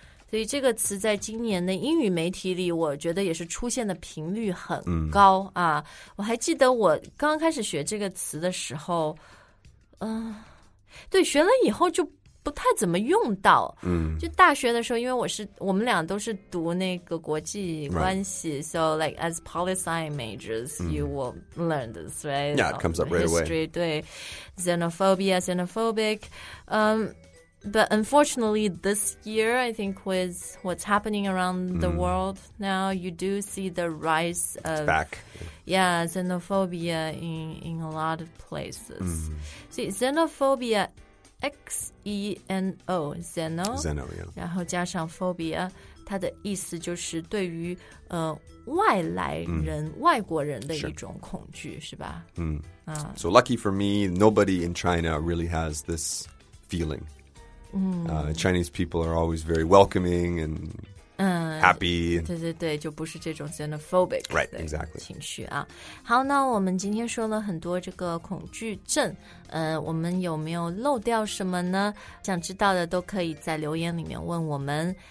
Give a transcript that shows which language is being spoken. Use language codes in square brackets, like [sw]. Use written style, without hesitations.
[zh] 所以这个词在今年的英语媒体里我觉得也是出现的频率很高啊。我还记得我刚开始学这个词的时候对学了以后就不太怎么用到。就大学的时候因为我们俩都是读那个国际关系。 [en] So like as policy majors, you will learn this, right? Yeah, it comes up right away. History, 对 xenophobia, xenophobic. But unfortunately, this year, I think with what's happening around the world now, you do see the rise of... It's back. Yeah, xenophobia in a lot of places. See, xenophobia, X-E-N-O, xeno. Xeno, yeah. [zh] 然后加上 phobia, 它的意思就是对于外来人、外国人的一种恐惧、 [en] sure. [zh] 是吧、 [en] So lucky for me, nobody in China really has this feeling. Chinese people are always very welcoming and happy. [zh] 对对对，就不是这种 xenophobic 的 [en] right, exactly. [zh] 情绪啊。好，那我们今天说了很多这个恐惧症，我们有没有漏掉什么呢？想知道的都可以在留言里面问我们。